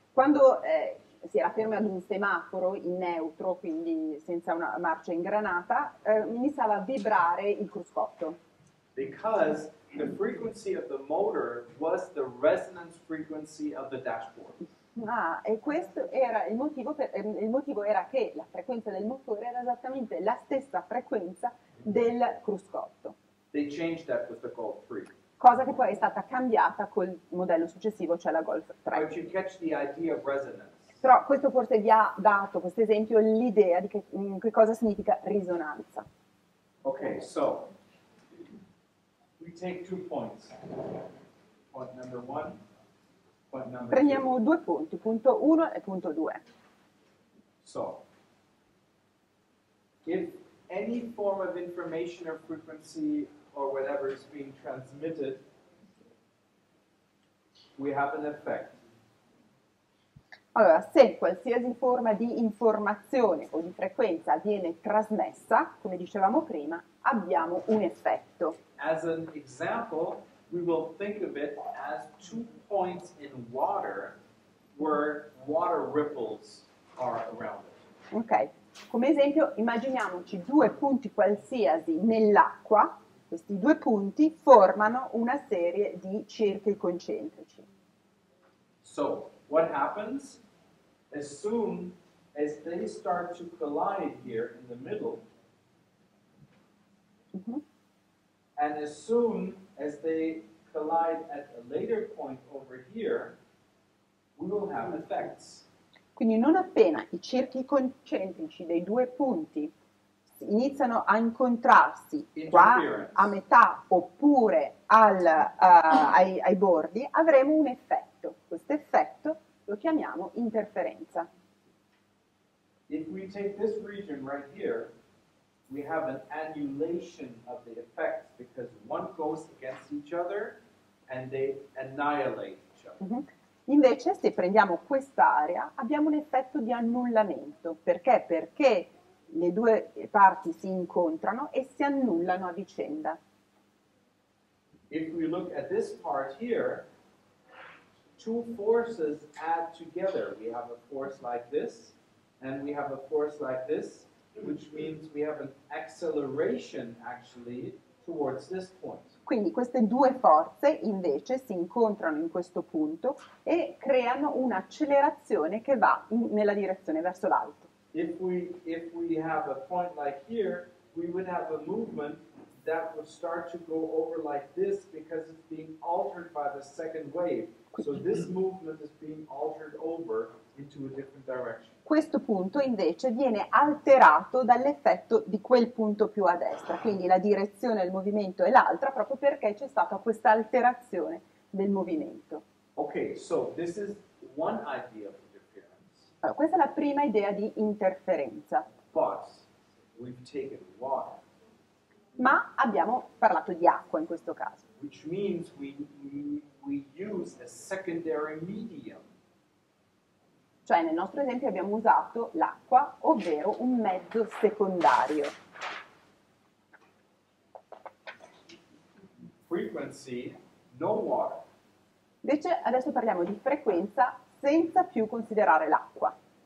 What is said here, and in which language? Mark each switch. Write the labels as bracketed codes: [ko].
[it] Quando si era fermo ad un semaforo in neutro, quindi senza una marcia ingranata, iniziava a vibrare il cruscotto. [en] Because the frequency of the motor was the resonance frequency of the dashboard. [it] Ah, e questo era il motivo, il motivo era che la frequenza del motore era esattamente la stessa frequenza del cruscotto. [en] They changed that with the Golf 3. [it] Cosa che poi è stata cambiata col modello successivo, cioè la Golf 3. [en] But you catch the idea of resonance. [it] Però questo forse vi ha dato, questo esempio, l'idea di che cosa significa risonanza. [en] Ok, so, we take two points. Point number one. [it] Prendiamo due punti, punto 1 e punto 2. [en] So, if any form of information or frequency or whatever is being transmitted, we have an effect. [it] Allora, se qualsiasi forma di informazione o di frequenza viene trasmessa, come dicevamo prima, abbiamo un effetto. [en] As an example, we will think of it as two points in water where water ripples are around it. [it] Ok, come esempio immaginiamoci due punti qualsiasi nell'acqua, questi due punti formano una serie di cerchi concentrici. [en] So, what happens? As soon as they start to collide here in the middle, and as soon as they collide at a later point over here, we will have effects. [it] Quindi non appena i cerchi concentrici dei due punti iniziano a incontrarsi qua a metà oppure ai bordi, avremo un effetto. Questo effetto lo chiamiamo interferenza. [en] If we take this region right here, we have an annulation of the effect because one goes against each other and they annihilate each other. Mm-hmm. [it] Invece, se prendiamo quest'area, abbiamo un effetto di annullamento. Perché? Perché le due parti si incontrano e si annullano a vicenda. [en] If we look at this part here, two forces add together. We have a force like this, and we have a force like this, which means we have an acceleration actually towards this point. [it] Quindi queste due forze invece si incontrano in questo punto e creano un'accelerazione che va nella direzione verso l'alto. [en] If we have a point like here, we would have a movement that would start to go over like this because it's being altered by the second wave. So this movement is being altered over into a different direction. [it] Questo punto invece viene alterato dall'effetto di quel punto più a destra, quindi la direzione del movimento è l'altra proprio perché c'è stata questa alterazione del movimento. [en] Okay, so this is one idea of interference. [it] Allora, questa è la prima idea di interferenza. [en] But we've taken water. [it] Ma abbiamo parlato di acqua in questo caso. [en] Which means we use a secondary medium. [it] Cioè, nel nostro esempio abbiamo usato l'acqua, ovvero un mezzo secondario. [en] Frequency, no water. [it] Invece adesso parliamo di frequenza senza più considerare l'acqua.